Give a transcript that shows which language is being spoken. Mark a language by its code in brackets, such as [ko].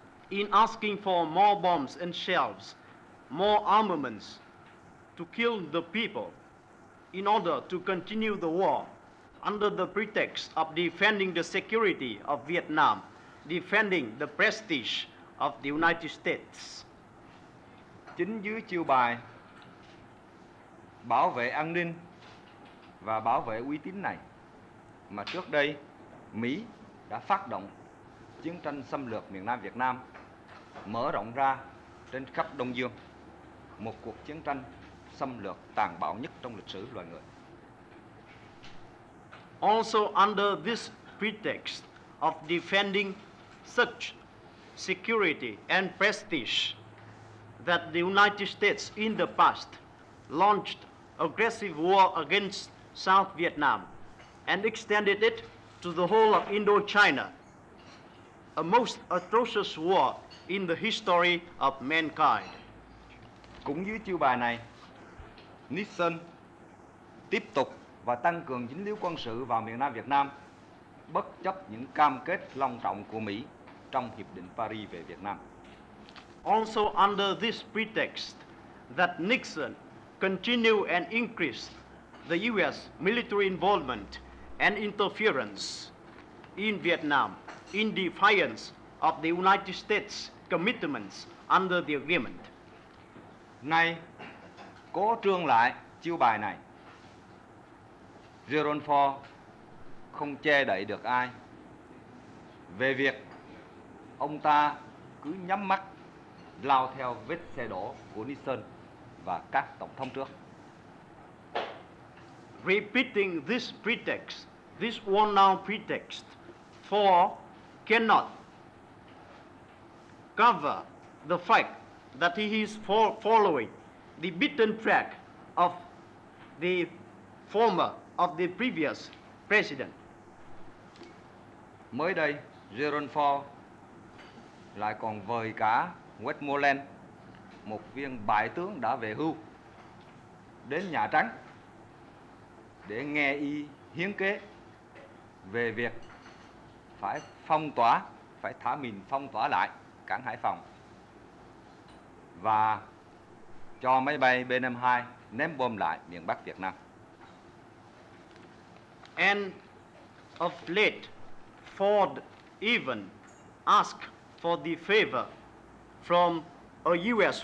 [en] in asking for more bombs and shells, more armaments to kill the people in order to continue the war under the pretext of defending the security of Vietnam, defending the prestige of the United States. [vi] Chính dưới chiêu bài bảo vệ an ninh và bảo vệ uy tín này mà trước đây Mỹ đã phát động chiến tranh xâm lược miền Nam Việt Nam, mở rộng ra trên khắp Đông Dương, một cuộc chiến tranh xâm lược tàn bạo nhất trong lịch sử loài người. [en] Also under this pretext of defending such security and prestige that the United States in the past launched aggressive war against South Vietnam and extended it to the whole of Indochina, a most atrocious war in the history of mankind. [vi] Cũng dưới chiêu bài này, Nixon tiếp tục và tăng cường dính líu quân sự vào miền Nam Việt Nam, bất chấp những cam kết long trọng của Mỹ trong Hiệp định Paris về Việt Nam. [en] Also under this pretext that Nixon continued and increased the U.S. military involvement and interference in Vietnam, in defiance of the United States commitments under the agreement. [vi] Nay, cố trương lại chiêu bài này. Jerome Ford không che đậy được ai về việc ông ta cứ nhắm mắt lao theo vết xe đổ của Nixon và các tổng thống trước. [en] Repeating this pretext, this worn-out pretext, Ford cannot cover the fact that he is following the beaten track of the former, of the previous president. [vi] Mới đây, Jerome Ford lại còn vời cả Westmoreland, một viên bại tướng đã về hưu, đến Nhà Trắng để nghe y hiến kế về việc phải phong tỏa, phải thả mình phong tỏa lại cảng Hải Phòng và cho máy bay B-52 ném bom lại miền Bắc Việt Nam. [en] And of late, Ford even asked for the favor from a U.S.